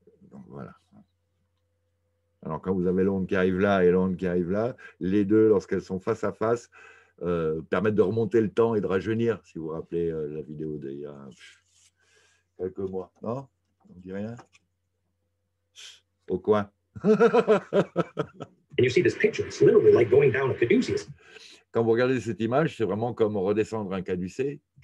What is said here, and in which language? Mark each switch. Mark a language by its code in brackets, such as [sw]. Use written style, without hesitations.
[fr] Donc, voilà. Alors, quand vous avez l'onde qui arrive là et l'onde qui arrive là, les deux, lorsqu'elles sont face à face, permettent de remonter le temps et de rajeunir, si vous vous rappelez la vidéo d'il y a quelques mois. Non ? On ne dit rien ? Au coin. [en] And you see this picture, it's literally like going down a caduceus. [fr] Quand vous regardez cette image, c'est vraiment comme redescendre un caducé.